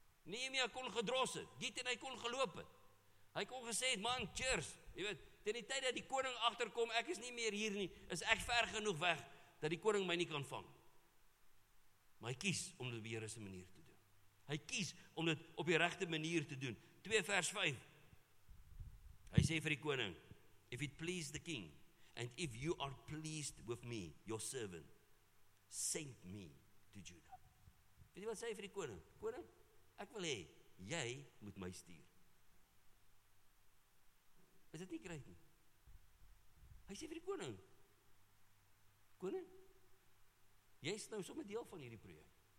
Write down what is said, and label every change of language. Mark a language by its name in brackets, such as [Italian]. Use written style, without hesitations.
[Afrikaans] Nehemia kon gedros het, dit en hy kon geloop het. Hy kon gesê het, man, cheers, jy weet, ten die tyd dat die koning agterkom, ek is nie meer hier nie, is ek ver genoeg weg, dat die koning my nie kan vang. Maar hy kies om dit op die regte manier te doen. Hy kies om dit op die regte manier te doen. 2 vers 5. Hy sê vir die koning, [English] if it please the king, and if you are pleased with me, your servant, send me to Judah. [Afrikaans] Weet jy wat sê hy vir die koning? Koning, ek wil hê, jy moet my stuur. Is dit nie kryt nie? Hy sê vir die koning, koning, jy is nou sommer deel van hierdie projek.